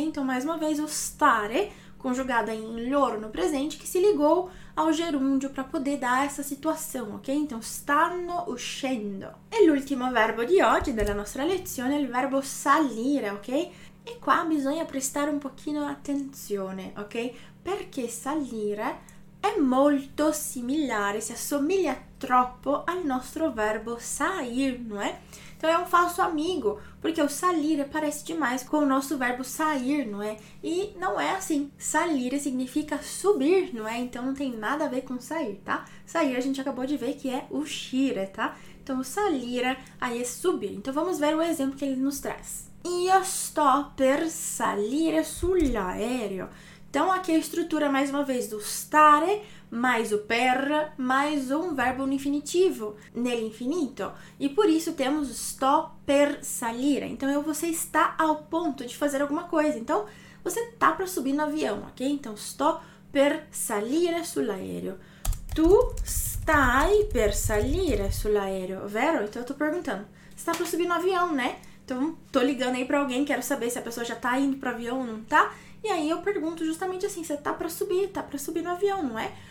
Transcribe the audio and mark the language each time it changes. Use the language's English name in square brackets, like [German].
[Portuguese] Então, mais uma vez, o stare, conjugado em loro no presente, que se ligou ao gerúndio para poder dar essa situação, ok? [Italian] Então, stanno uscendo. E l'ultimo verbo di oggi, della nostra lezione, è il verbo salire, ok? E qua bisogna prestare un pochino attenzione, ok? Perché salire è molto similare, si assomiglia troppo al nostro verbo sair, non è? [Portuguese] Então è un falso amigo, perché o salire parece demais com o nosso verbo sair, non è? E non è assim. Salire significa subir, non è? Então non tem nada a ver com sair, tá? Sair a gente acabou de ver que é uscire, tá? Então salire aí é subir. Então vamos ver o exemplo que ele nos traz. [Italian] Io sto per salire sull'aereo. [Portuguese] Então, aqui a estrutura, mais uma vez, do stare mais o per mais um verbo no infinitivo, nele infinito. E por isso temos [Italian] sto per salire. [Portuguese] Então, você está ao ponto de fazer alguma coisa. Então, você está para subir no avião, ok? [Italian] Então, sto per salire sull'aereo. Tu stai per salire sull'aereo, vero? [Portuguese] Então, eu estou perguntando. Você está para subir no avião, né? Então, estou ligando aí para alguém, quero saber se a pessoa já está indo para o avião ou não está. E aí eu pergunto justamente assim, você tá para subir no avião, não é?